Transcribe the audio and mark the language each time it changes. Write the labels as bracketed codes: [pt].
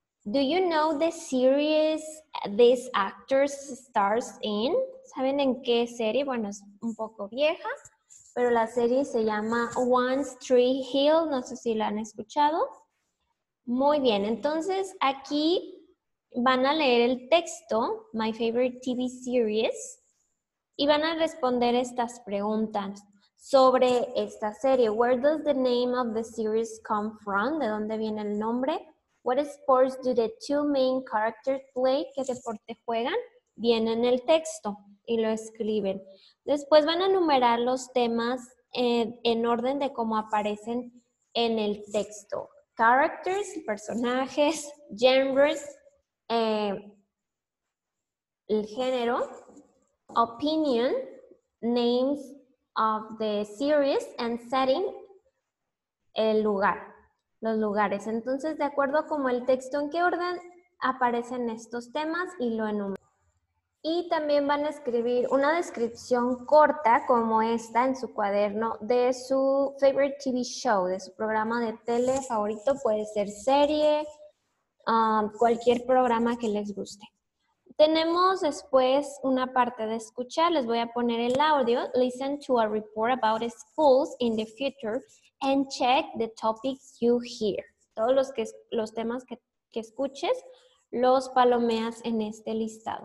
[en] Do you know the series this actor stars in? [es] ¿Saben en qué serie? Bueno, es un poco vieja, pero la serie se llama One Tree Hill. No sé si la han escuchado. Muy bien, entonces aquí van a leer el texto, My Favorite TV Series, y van a responder estas preguntas. Sobre esta serie, [en] where does the name of the series come from? [es] ¿De dónde viene el nombre? [en] What sports do the two main characters play? [es] ¿Qué deporte juegan? Viene en el texto y lo escriben. Después van a enumerar los temas en orden de cómo aparecen en el texto. [en] Characters, [es] personajes, [en] genres, [es] el género, [en] opinion, names, of the series and setting, [es] el lugar, los lugares. Entonces, de acuerdo como el texto, en qué orden aparecen estos temas y lo enumeran. Y también van a escribir una descripción corta como esta en su cuaderno de su [en] favorite TV show, [es] de su programa de tele favorito, puede ser serie, cualquier programa que les guste. Tenemos después una parte de escuchar. Les voy a poner el audio. [en] Listen to a report about schools in the future and check the topics you hear. [es] Todos los temas que escuches, los palomeas en este listado.